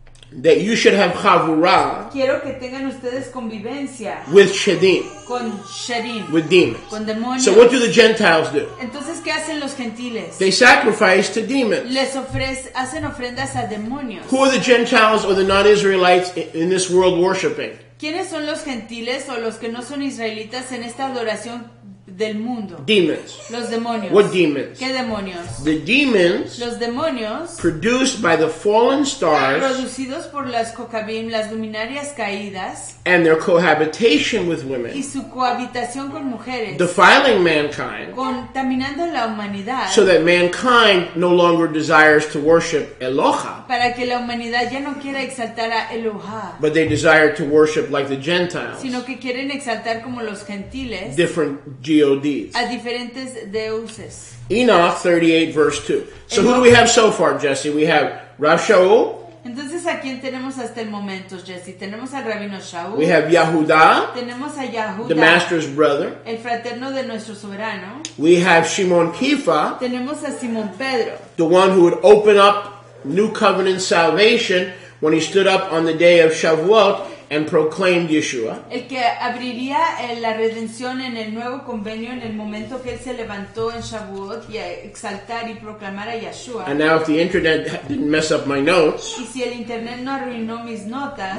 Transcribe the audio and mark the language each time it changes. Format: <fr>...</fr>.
<en>that you should have chavura,</en> <es>quiero que tengan ustedes convivencia,</es> <en>with Shadim,</en> <es>con Shadim,</es> <en>with demons,</en> <es>con demonios.</es> <en>So what do the Gentiles do?</en> <es>Entonces, ¿qué hacen los gentiles?</es> <en>They sacrifice to demons.</en> <es>Les hacen ofrendas a demonios.</es> <en>Who are the Gentiles or the non-Israelites in this world worshiping?</en> <es>¿Quiénes son los gentiles o los que no son israelitas en esta adoración del mundo?</es> <en>Demons.</en> <es>Los demonios.</es> <en>What demons?</en> <es>¿Qué demonios?</es> <en>The demons.</en> <es>Los demonios.</es> <en>Produced by the fallen stars.</en> <es>Producidos por las kokabim, las luminarias caídas.</es> <en>And their cohabitation with women.</en> <es>Y su cohabitación con mujeres.</es> <en>Defiling mankind.</en> <es>Contaminando la humanidad.</es> <en>So that mankind no longer desires to worship Eloha.</en> <es>Para que la humanidad ya no quiera exaltar a Eloha.</es> <en>But they desire to worship like the Gentiles.</en> <es>Sino que quieren exaltar como los gentiles.</es> <en>Different G-O-Ds.</en> <es>A diferentes deuses.</es> <en>Enoch 38 verse 2. So who do we have so far, Jesse? We have Rav Shaul.</en> <es>Entonces, ¿a quién tenemos hasta el momento, Jesse? Tenemos al Rabino Shaul.</es> <en>We have Yehuda.</en> <es>Tenemos a Yehuda.</es> <en>The master's brother.</en> <es>El fraterno de nuestro soberano.</es> <en>We have Shimon Kifa.</en> <es>Tenemos a Simón Pedro.</es> <en>The one who would open up new covenant salvation when he stood up on the day of Shavuot and proclaimed Yeshua.</en> <es>El que abriría la redención en el nuevo convenio en el momento que él se levantó en Shavuot y a exaltar y proclamar a Yeshua.</es> <en>And now if the internet didn't mess up my notes,</en> <es>y si el internet no arruinó mis notas,</es>